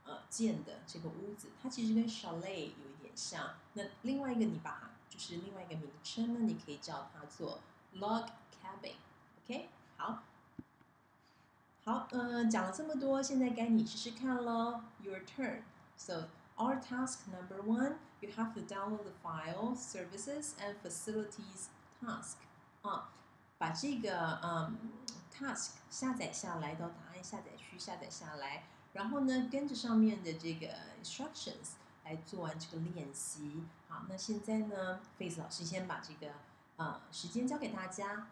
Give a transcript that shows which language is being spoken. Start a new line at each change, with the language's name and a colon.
Chinese: 建的这个屋子，它其实跟 chalet 有一点像。那另外一个，你把它就是另外一个名称呢，你可以叫它做 log cabin。 OK， 好，好，讲了这么多，现在该你试试看喽。
English: Your turn. So our task number one, you have to download the file services and facilities task.
Chinese: 把这个task 下载下来，到档案下载区下载下来。然后呢，跟着上面的这个 instructions 来做完这个练习。好，那现在呢 ，Face 老师先把这个时间交给大家。